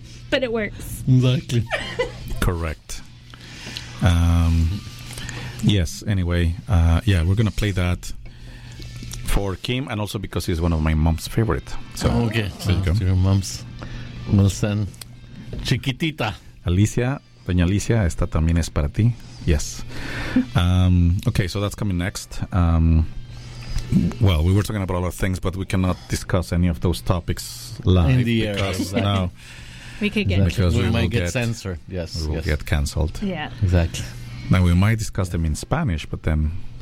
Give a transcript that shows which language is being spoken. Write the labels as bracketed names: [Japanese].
[English] But it works. Exactly. Correct. Yes, anyway, we're going to play that. For Kim, and also because he's one of my mom's favorite. So okay, so your mom's. We'll send Chiquitita. [Spanish] Alicia, Doña Alicia, esta también es para ti. [English] Yes. Okay, so that's coming next. Well, we were talking about a lot of things, but we cannot discuss any of those topics live. In the air, exactly. No. We could get exactly. We might get censored. Yes. We will yes. get cancelled. Yeah. Exactly. Now, we might discuss them in Spanish, but then...